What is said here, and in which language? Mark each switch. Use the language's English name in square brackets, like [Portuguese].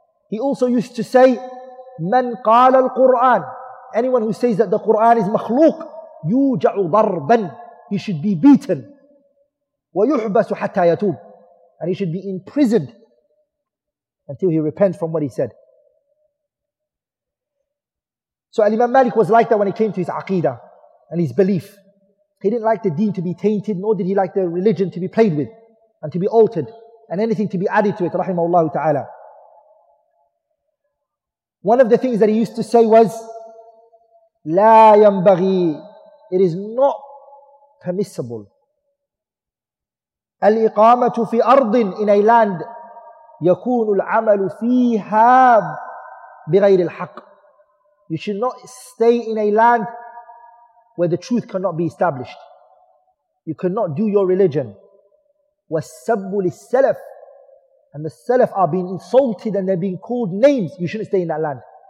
[English] He also used to say, [Arabic] من قال القرآن, [English] anyone who says that the Quran is مخلوق, [Arabic] يوجع ضربا, [English] he should be beaten, [Arabic] ويحبس حتى يتوب, [English] and he should be imprisoned until he repents from what he said. So Al-Imam Malik was like that when it came to his aqidah and his belief. He didn't like the deen to be tainted, nor did he like the religion to be played with and to be altered and anything to be added to it, rahimahullah ta'ala. [Arabic] One of the things that he used to say was, لا ينبغي, [English] it is not permissible, [Arabic] الإقامة في أرض, [English] in a land, [Arabic] يكون العمل فيها بغير الحق. [English] You should not stay in a land where the truth cannot be established. You cannot do your religion. [Arabic] والسب للسلف, [English] and the Salaf are being insulted and they're being called names. You shouldn't stay in that land.